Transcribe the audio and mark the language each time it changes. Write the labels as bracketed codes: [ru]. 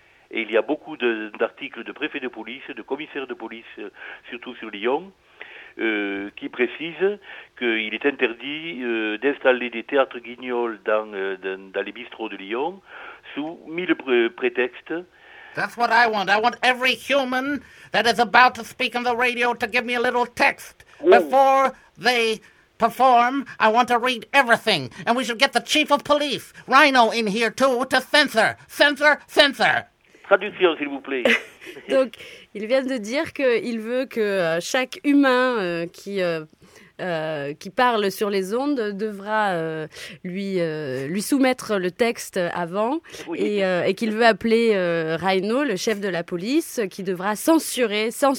[fr] Et il y a beaucoup d'articles de préfets de police, de commissaires de police, surtout sur Lyon, qui précisent qu'il est interdit d'installer des théâtres guignols dans les bistrots de Lyon sous 1000 prétextes. [en] That's what I want. I want every human that is about to speak on the radio to give me a little text. Ooh. Before they perform, I want to read everything. And we should get the chief of police, Rhino, in here too, to censor. Censor, censor. [fr] Traduction, s'il vous plaît. Donc, il vient de dire qu'il veut que chaque humain qui parle sur les ondes devra lui soumettre le texte avant, oui. et qu'il veut appeler Rhino, le chef de la police, qui devra censurer.